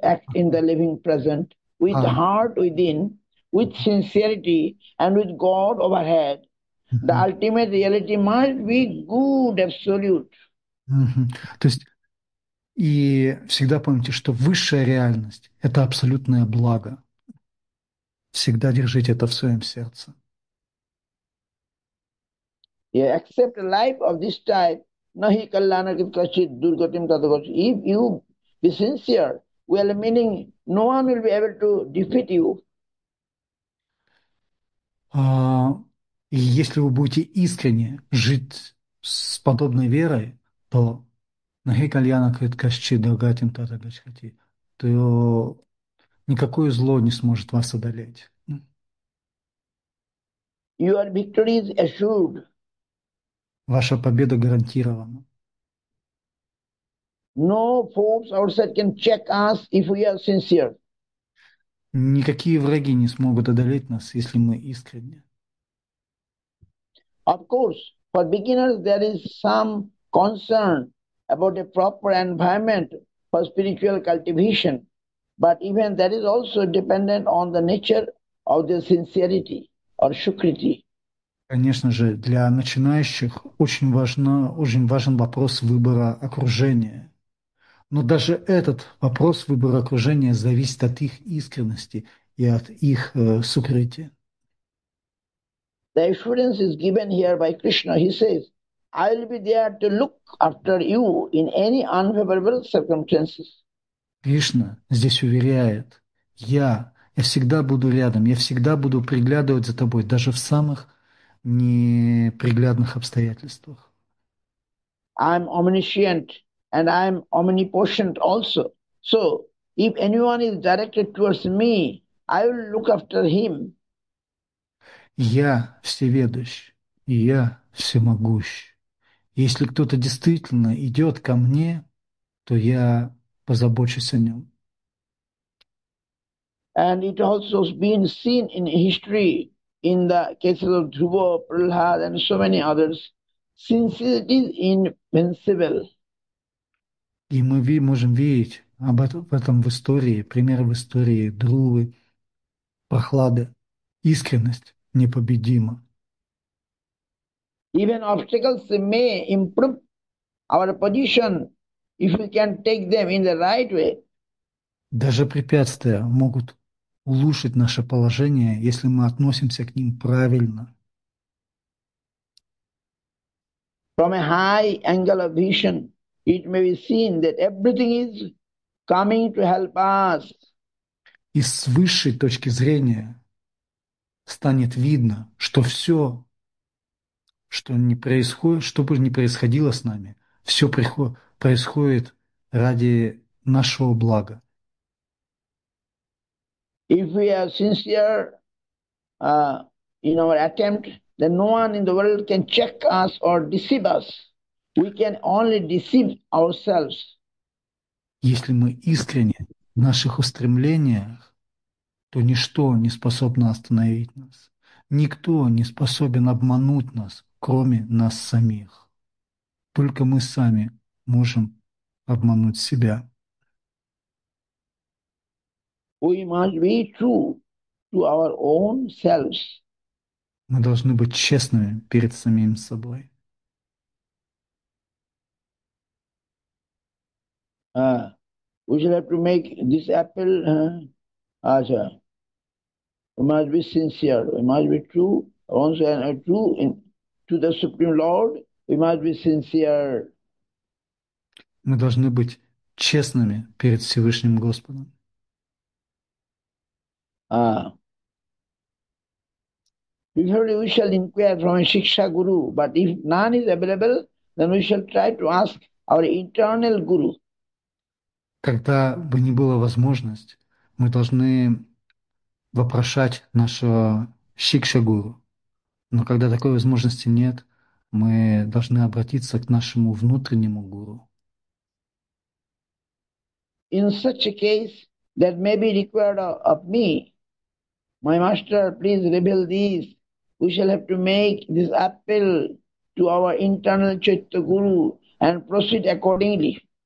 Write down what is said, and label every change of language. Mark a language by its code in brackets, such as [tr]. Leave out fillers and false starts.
[en] Act in the living present with heart within, with sincerity, and with God overhead. The ultimate reality must be good, absolute. [ru] То есть, и всегда помните, что высшая реальность – это абсолютное благо. Всегда держите это в своем сердце. [en] Yeah, accept life of this type. [sa] Nahi kallana kit kachit durgatim tadagat. [en] If you be sincere, well meaning, no one will be able to defeat you. [ru] И если вы будете искренне жить с подобной верой, то [sa] нахи кальяна крит кашчи дагатим тата гачхати, [ru] то никакое зло не сможет вас одолеть. [en] Your victory is assured. [ru] Ваша победа гарантирована. [en] No force outside can check us if we are sincere. [ru] Никакие враги не смогут одолеть нас, если мы искренне. [en] Of course, for beginners there is some concern about a proper environment for spiritual cultivation, but even that is also dependent on the nature of their sincerity or shukriti. [ru] Конечно же, для начинающих очень важен вопрос выбора окружения. Но даже этот вопрос выбора окружения зависит от их искренности и от их сукрити. [en] The assurance is given here by Krishna. He says, I will be there to look after you in any unfavorable circumstances. [ru] Кришна здесь уверяет, я всегда буду рядом, я всегда буду приглядывать за тобой, даже в самых неприглядных обстоятельствах. [en] I am omniscient and I am omnipotent also. So, if anyone is directed towards me, I will look after him. [ru] Я всеведущ, и я всемогущ. Если кто-то действительно идет ко мне, то я позабочусь о нем. [en] And it also has been seen in history, in the cases of Dhruva, Prahlad, and so many others, since it is invincible. [ru] И мы можем видеть об этом в истории, примеры в истории Друвы, Прохлады, искренность непобедима. [en] Even obstacles may improve our position if we can take them in the right way. [ru] Даже препятствия могут улучшить наше положение, если мы относимся к ним правильно. [en] From a high angle of vision, it may be seen that everything is coming to help us. [ru] И с высшей точки зрения станет видно, что все, что не происходит, что бы ни происходило с нами, все происходит ради нашего блага. [en] If we are sincere in our attempt, then no one in the world can check us or deceive us. We can only deceive ourselves. [ru] Если мы искренне в наших устремлениях, то ничто не способно остановить нас. Никто не способен обмануть нас, кроме нас самих. Только мы сами можем обмануть себя. [en] We must be true to our own selves. [ru] Мы должны быть честными перед самим собой. [en] We should have to make this apple, Asha. We must be sincere. We must be true. Once we are true to the Supreme Lord, we must be sincere. [ru] Мы должны быть честными перед Всевышним Господом. [en] We shall inquire from a Shiksha Guru, but if none is available, then we shall try to ask our internal Guru. [ru] Когда бы ни была возможность, мы должны вопрошать нашего Шикша-гуру. Но когда такой возможности нет, мы должны обратиться к нашему внутреннему гуру. [en] In such a case that may be required of me, my master, please reveal this. We shall have to make this appeal to our internal Chaitanya Guru and proceed accordingly.